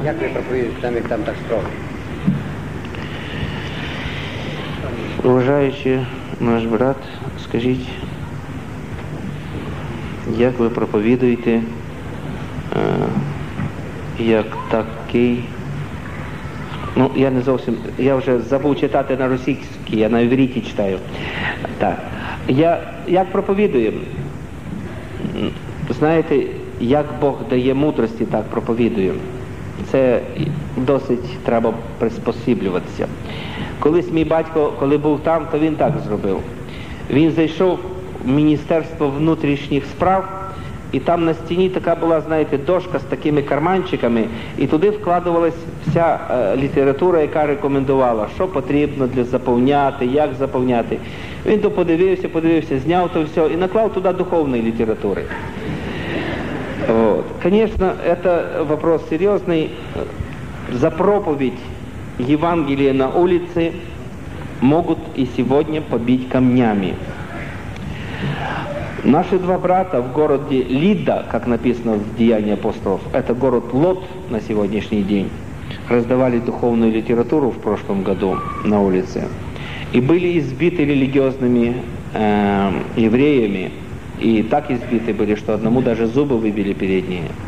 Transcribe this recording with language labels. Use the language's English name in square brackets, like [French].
[Russian] Как вы проповедуете, там их там так строго? Уважающий наш брат, скажите, как вы проповедуете, [Ukrainian] як такий. Ну, я не зовсім, я вже забув читати на російській, я на івриті читаю. Так. Я як проповідую? Знаєте, як Бог дає мудрості, так проповідую. Це досить треба приспосіблюватися. Колись мій батько, коли був там, то він так зробив. Він зайшов в Міністерство внутрішніх справ. І там на стіні така була, знаєте, дошка з такими карманчиками, і туди вкладувалась вся література, яка рекомендувала, що потрібно для заповняти, як заповняти. Він то подивився, зняв то все і наклав туди духовної літератури. Звісно, це вопрос серйозний. За проповідь Євангелія на вулиці можуть і сьогодні побити камнями. [Russian] Наши два брата в городе Лидда, как написано в Деяниях апостолов, это город Лод на сегодняшний день, раздавали духовную литературу в прошлом году на улице. И были избиты религиозными евреями, и так избиты были, что одному даже зубы выбили передние.